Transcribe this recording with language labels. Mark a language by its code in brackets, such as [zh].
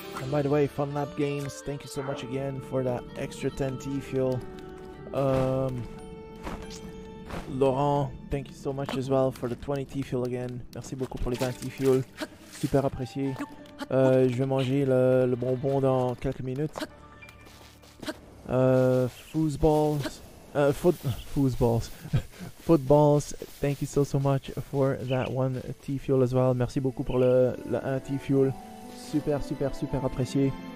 [en] By the way, Funlab Games, thank you so much again for that extra 10 T-Fuel. Laurent, thank you so much as well for the 20 T-Fuel again. [fr] Merci beaucoup pour les 20 T-Fuel. Super apprécié. Je vais manger le bonbon dans quelques minutes. [en] Foosballs. Footballs, thank you so much for that one T-Fuel as well. [fr] Merci beaucoup pour le 1 T-Fuel. Super, super, super apprécié.